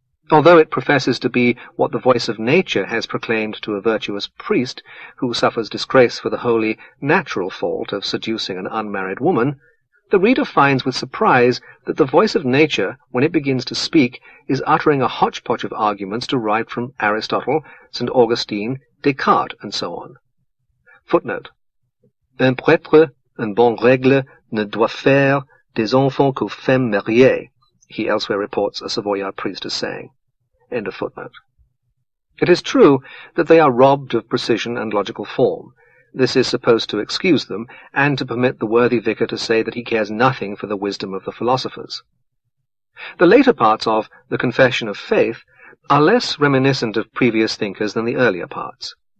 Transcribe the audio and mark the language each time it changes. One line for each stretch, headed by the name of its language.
English: Although it professes to be what the voice of nature has proclaimed to a virtuous priest who suffers disgrace for the wholly natural fault of seducing an unmarried woman, the reader finds with surprise that the voice of nature, when it begins to speak, is uttering a hodgepodge of arguments derived from Aristotle, St. Augustine, Descartes, and so on. Footnote.
French: Un prêtre, en bonne règle, ne doit faire des enfants qu'aux femmes mariées,
English: he elsewhere reports a Savoyard priest as saying. End of footnote. It is true that they are robbed of precision and logical form. This is supposed to excuse them, and to permit the worthy vicar to say that he cares nothing for the wisdom of the philosophers. The later parts of The Confession of Faith are less reminiscent of previous thinkers than the earlier parts.